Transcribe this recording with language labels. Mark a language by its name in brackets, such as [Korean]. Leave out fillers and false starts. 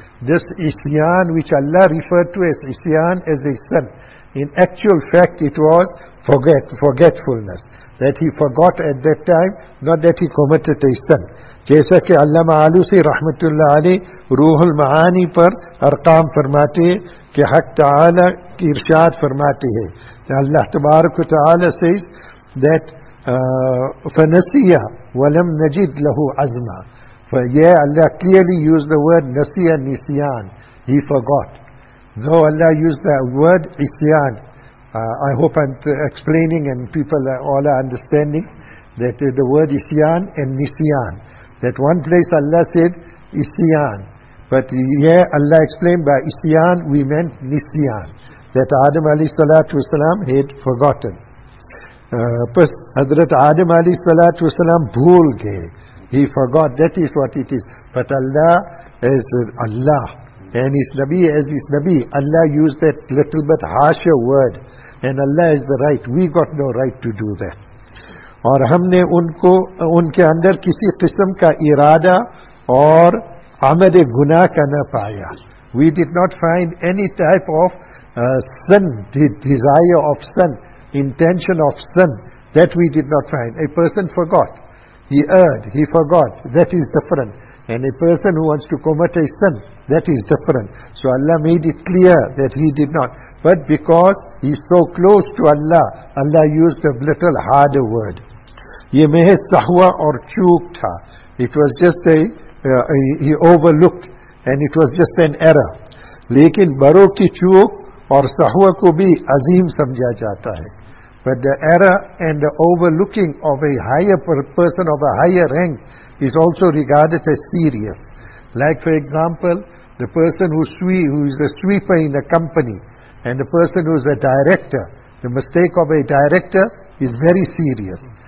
[English] This isyan which Allah referred to as isyan as a sin, in actual fact it was forgetfulness. That he forgot at that time, not that he committed a sin. [Urdu] جیسا کہ علامہ علوسی رحمۃ اللہ علیہ روح المعانی پر ارقام فرماتے کہ حق تعالی کی ارشاد فرماتے ہیں کہ اللہ تبارک و تعالی [English] says that [Arabic] فنسیہ ولم نجد له عزما. [English] اللہ clearly use the word نسیہ نسیان, ہی فرگوٹ. دو اللہ یوز دا ورڈ عصیان. I hope I'm explaining and people all are understanding that the word isyan and nisyan. That one place Allah said isyan, but here Allah explained by isyan we meant nisyan. That Adam alayhi salatu wasalam had forgotten. First, Hazrat Adam alayhi salatu wasalam [Urdu] bhool gaye. [English] He forgot, that is what it is. But Allah is Allah. And his Nabi as his Nabi, Allah used that little bit harsher word. And Allah is the right. We got no right to do that. [Urdu] اور ہم نے ان کو ان کے اندر کسی قسم کا ارادہ اور عمد گناہ کا نہ پایا. [English] We did not find any type of sin, the desire of sin, intention of sin, that we did not find. A person forgot. He erred, he forgot. That is different. And a person who wants to commit a sin, that is different. So Allah made it clear that he did not. But because he is so close to Allah, Allah used a little harder word. [Urdu] یہ محض تحوہ اور چوک تھا. [English] It was just a he overlooked and it was just an error. [Urdu] لیکن بڑوں کی چوک اور تحوہ کو بھی عظیم سمجھا جاتا ہے. [English] But the error and the overlooking of a higher person of a higher rank is also regarded as serious. Like for example, the person who is a sweeper in a company and the person who is a director, the mistake of a director is very serious.